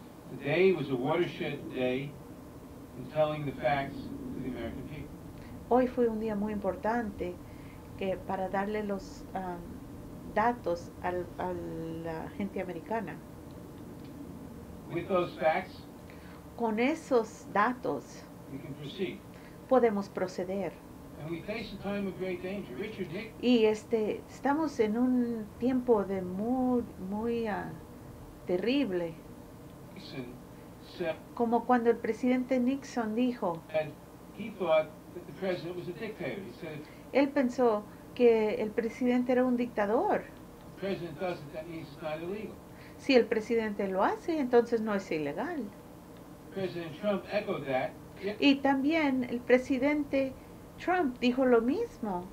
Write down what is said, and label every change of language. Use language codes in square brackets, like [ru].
[en] Today was a watershed day in telling the facts to the American people. [es] Hoy fue un día muy importante que para darle los datos a la gente americana. [en] With those facts, [es] con esos datos, [en] we can proceed. [es] Podemos proceder. [en] And we face a time of great danger. Richard Hick, [es] y estamos en un tiempo de muy, muy terrible. [en] Nixon, [es] como cuando el presidente Nixon dijo, [en] the president was a dictator. He said, [es] él pensó que el presidente era un dictador. [en] The president does it, that means it's not illegal. [es] Si el presidente lo hace, entonces no es ilegal. [en] President Trump echoed that. [es] Y también el presidente Trump dijo lo mismo.